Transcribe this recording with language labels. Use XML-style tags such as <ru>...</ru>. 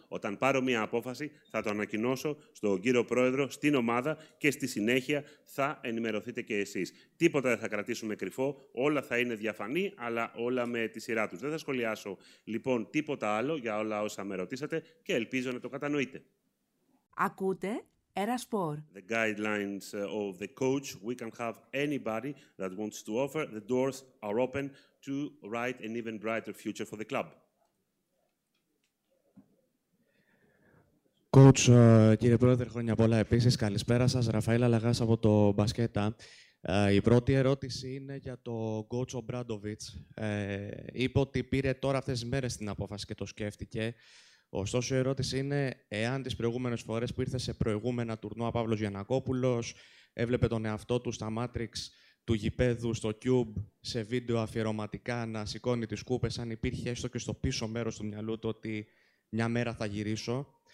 <el>Όταν πάρω μία απόφαση, θα το ανακοινώσω στον κύριο Πρόεδρο, στην ομάδα και στη συνέχεια θα ενημερωθείτε και εσείς. Τίποτα δεν θα κρατήσουμε κρυφό, όλα θα είναι διαφανή, αλλά όλα με τη σειρά τους. Δεν θα σχολιάσω λοιπόν τίποτα άλλο για όλα όσα με ρωτήσατε και ελπίζω να το κατανοείτε. Ακούτε, Eraspor.</el> <en>The guidelines of the coach, we can have anybody that wants to offer, the doors are open to write an even brighter future for the club.</en> <el>Coach, κύριε Πρόεδρε, χρόνια πολλά επίσης. Καλησπέρα σας. Ραφαήλ Αλαγάς από το Μπασκέτα. Η πρώτη ερώτηση είναι για το coach Ομπράντοβιτς. Είπε ότι πήρε τώρα αυτές τις μέρες την απόφαση και το σκέφτηκε. Ωστόσο, η ερώτηση είναι εάν τις προηγούμενες φορές που ήρθε σε προηγούμενα τουρνουά Παύλος Γιαννακόπουλος έβλεπε τον εαυτό του στα Matrix του γηπέδου, στο Cube, σε βίντεο αφιερωματικά να σηκώνει τις κούπες, αν υπήρχε έστω και στο πίσω μέρος του μυαλού του ότι μια μέρα θα γυρίσω.</el>